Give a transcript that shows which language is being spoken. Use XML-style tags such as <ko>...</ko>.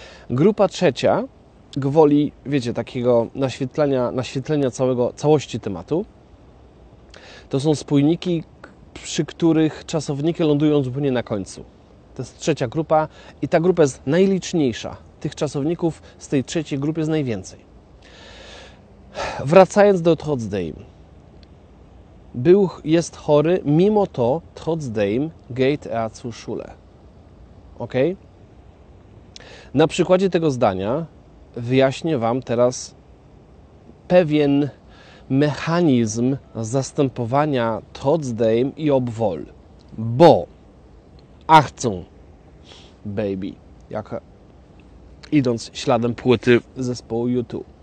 <pl>Grupa trzecia, gwoli, wiecie, takiego naświetlenia całości tematu, to są spójniki, przy których czasowniki lądują zupełnie na końcu. To jest trzecia grupa i ta grupa jest najliczniejsza. Tych czasowników z tej trzeciej grupy jest najwięcej. Wracając do Trotzdem. Jest chory, mimo to</pl> <de>Trotzdem geht er zur Schule.</de> <pl>Ok? Na przykładzie tego zdania wyjaśnię Wam teraz pewien mechanizm zastępowania Todsdame i Obwol. Bo Achtung Baby, jak idąc śladem płyty zespołu U2.</pl>